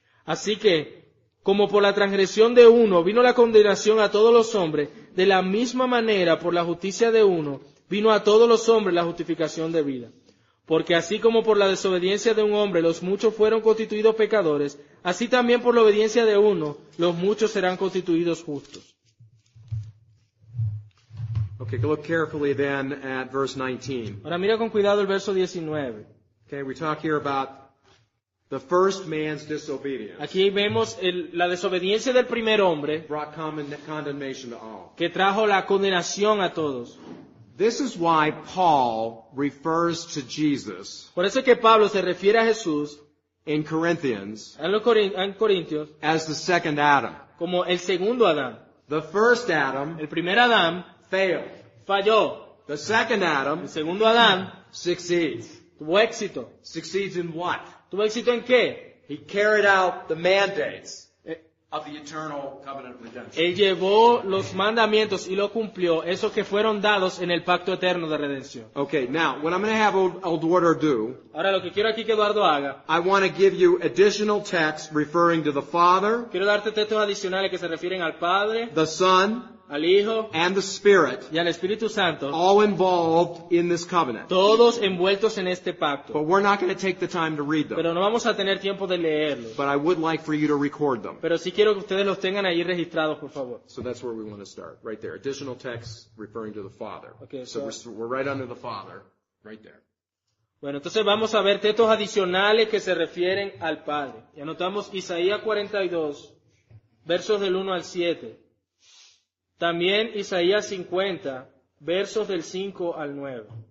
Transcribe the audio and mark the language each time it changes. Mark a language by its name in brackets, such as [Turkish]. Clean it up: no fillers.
[Spanish] Así que, como por la transgresión de uno vino la condenación a todos los hombres, de la misma manera, por la justicia de uno, vino a todos los hombres la justificación de vida. Porque así como por la desobediencia de un hombre los muchos fueron constituidos pecadores, así también por la obediencia de uno los muchos serán constituidos justos. [English] Okay, look carefully then at verse 19. [Spanish] Ahora mira con cuidado el verso 19. [English] Okay, we talk here about The first man's disobedience. [Spanish] Aquí vemos la desobediencia del primer hombre. [English] Brought common condemnation to all. [Spanish] Que trajo la condenación a todos. [English] This is why Paul refers to Jesus. [Spanish] Por eso que Pablo se refiere a Jesús. [English] In Corinthians. [Spanish] En Corintios. [English] As the second Adam. [Spanish] Como el segundo Adán. [English] The first Adam. [Spanish] El primer Adán. [English] Failed. [Spanish] Falló. [English] The second Adam. [Spanish] El segundo Adán. [English] Succeeds. [Spanish] Tuvo éxito. [English] Succeeds in what? [Spanish] ¿Tuvo éxito en qué? [English] He carried out the mandates of the eternal covenant of redemption. [Spanish] Él llevó los mandamientos y lo cumplió, esos que fueron dados en el pacto eterno de redención. [English] Okay, now, what I'm going to have Eduardo do, [Spanish] ahora lo que quiero aquí que Eduardo haga, [English] I want to give you additional texts referring to the Father, [Spanish] quiero darte textos adicionales que se refieren al Padre, [English] the Son, [Spanish] al Hijo, [English] and the Spirit, [Spanish] y al Espíritu Santo, [English] all involved in this covenant. [Spanish] Todos envueltos en este pacto. [English] But we're not going to take the time to read them. [Spanish] Pero no vamos a tener tiempo de leerlos. [English] But I would like for you to record them. [Spanish] Pero sí quiero que ustedes los tengan ahí registrados, por favor. [English] So that's where we want to start, right there. Additional texts referring to the Father. Okay, so we're right under the Father, right there. [Spanish] Bueno, entonces vamos a ver textos adicionales que se refieren al Padre. Y anotamos Isaías 42, versos del 1 al 7. También Isaías 50, versos del 5 al 9.